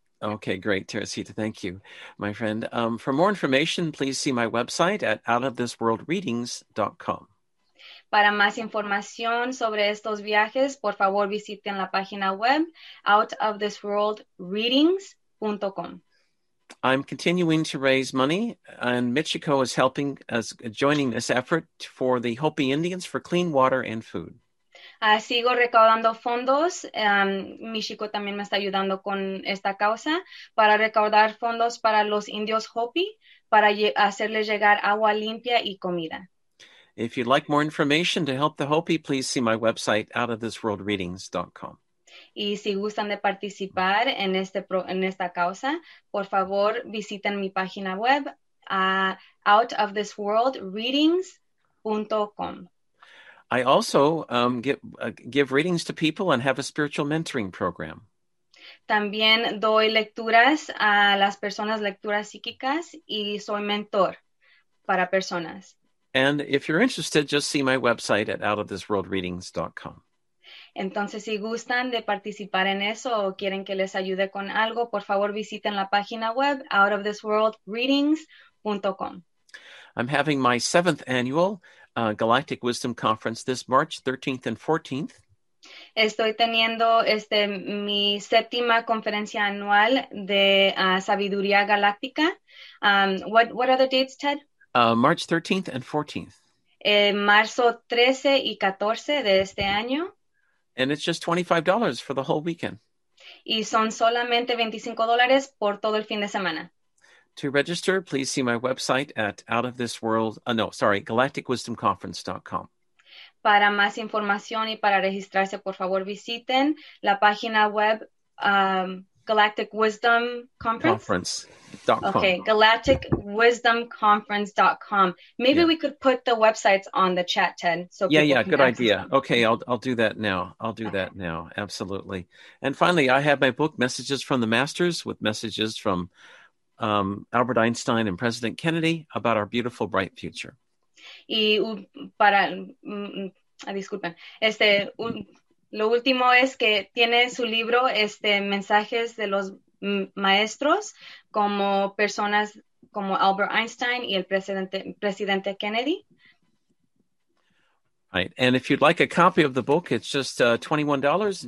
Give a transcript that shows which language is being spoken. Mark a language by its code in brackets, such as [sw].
[en] Okay, great, Teresita. Thank you, my friend. For more information, please see my website at outofthisworldreadings.com. [es] Para más información sobre estos viajes, por favor visiten la página web outofthisworldreadings.com. [en] I'm continuing to raise money, and Michiko is helping us joining this effort for the Hopi Indians for clean water and food. [es] Sigo recaudando fondos. Michiko también me está ayudando con esta causa para recaudar fondos para los indios Hopi para hacerles llegar agua limpia y comida. [en] If you'd like more information to help the Hopi, please see my website, outofthisworldreadings.com. [es] Y si gustan de participar en en esta causa, por favor visiten mi página web, outofthisworldreadings.com. [en] I also give readings to people and have a spiritual mentoring program. [es] También doy lecturas a las personas, lecturas psíquicas, y soy mentor para personas. [en] And if you're interested, just see my website at outofthisworldreadings.com. [es] Entonces, si gustan de participar en eso o quieren que les ayude con algo, por favor visiten la página web outofthisworldreadings.com. [en] I'm having my seventh annual Galactic Wisdom Conference this March 13th and 14th. [es] Estoy teniendo mi séptima conferencia anual de sabiduría galáctica. [en] What are the dates, Ted? March 13th and 14th. [es] Marzo 13 y 14 de este año. [en] And it's just $25 for the whole weekend. [es] Y son solamente $25 por todo el fin de semana. [en] To register, please see my website at galacticwisdomconference.com. [es] Para más información y para registrarse, por favor, visiten la página web Galactic Wisdom Conference. [en] Okay, galacticwisdomconference.com. Maybe we could put the websites on the chat, Ted. So yeah, good idea. Them. Okay, I'll do that now. That now, absolutely. And finally, I have my book, Messages from the Masters, with messages from Albert Einstein and President Kennedy about our beautiful, bright future. [es] Y para, disculpen, lo último es que tiene su libro, Mensajes de los Maestros, como personas como Albert Einstein y el presidente Kennedy. [en] Right. And if you'd like a copy of the book, it's just $21.